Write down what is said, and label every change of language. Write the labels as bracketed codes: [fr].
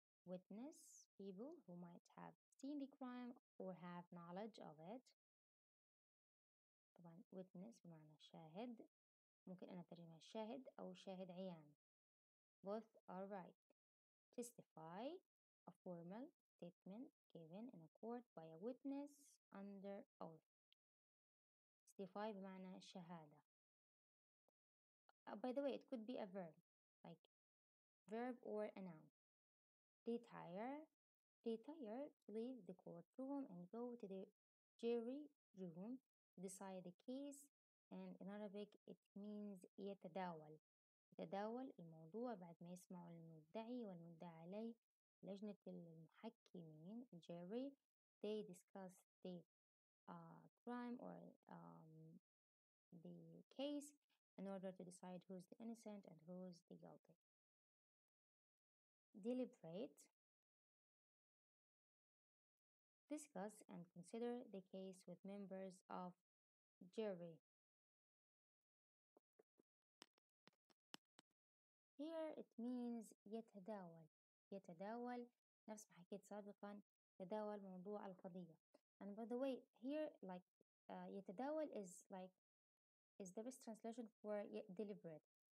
[en] Witness, people who might have seen the crime or have knowledge of it. [ar] طبعا witness بمعنى شاهد. ممكن أنا ترجمها شاهد أو شاهد عيان. [en] Both are right. Testify, a formal statement given in a court by a witness under oath. [ar] Testify بمعنى شهادة. [en] By the way, it could be a verb, like verb or a noun. Retire, to leave the courtroom and go to the jury room to decide the case. And in Arabic, it means يتداول. [ar] يتداول الموضوع بعد ما يسمع المدعي والمدعي عليه. لجنة المحكمين, [en] jury, they discuss the crime or the case in order to decide who's the innocent and who's the guilty. Deliberate, discuss and consider the case with members of jury. Here it means يتداول. [ar] يتداول نفس ما حكيت سابقا, تداول موضوع القضية. [en] And by the way, here like يتداول is the best translation for deliberate.